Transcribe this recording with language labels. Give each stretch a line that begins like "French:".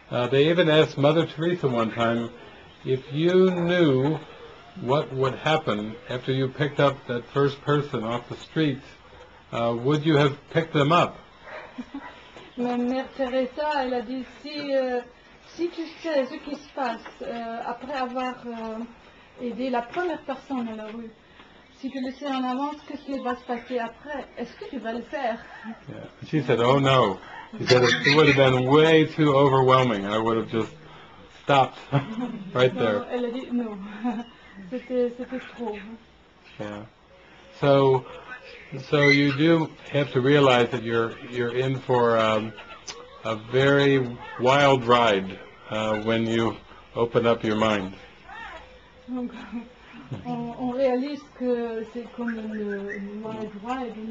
English: They even asked Mother Teresa one time, if you knew what would happen after you picked up that first person off the street, would you have picked them up?
French: Ma mère Teresa, elle a dit si tu sais ce qui se passe après avoir aidé la première personne dans la rue, si tu le sais en avance, qu'est-ce qui va se passer après? Est-ce que tu vas le faire?
English: Yeah. She said, oh no. She said, it would have been way too overwhelming. I would have just stopped right there.
French: Non, elle a dit non. c'était trop.
English: Yeah. So you do have to realize that you're in for a very wild ride when you open up your mind.
French: Donc, on réalise que c'est comme une
English: wild ride.